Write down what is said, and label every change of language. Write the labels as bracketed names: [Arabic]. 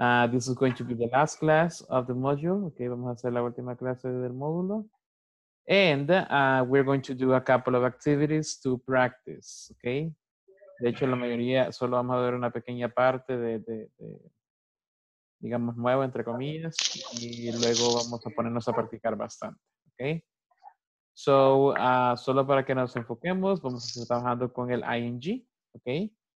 [English] This is going to be the last class of the module. [Spanish] Okay, vamos a hacer la última clase del módulo. [English] And we're going to do a couple of activities to practice. Okay. [Spanish] De hecho, la mayoría, solo vamos a ver una pequeña parte de digamos, nuevo, entre comillas. Y luego vamos a ponernos a practicar bastante. Okay. So, solo para que nos enfoquemos, vamos a estar trabajando con el ING. Okay.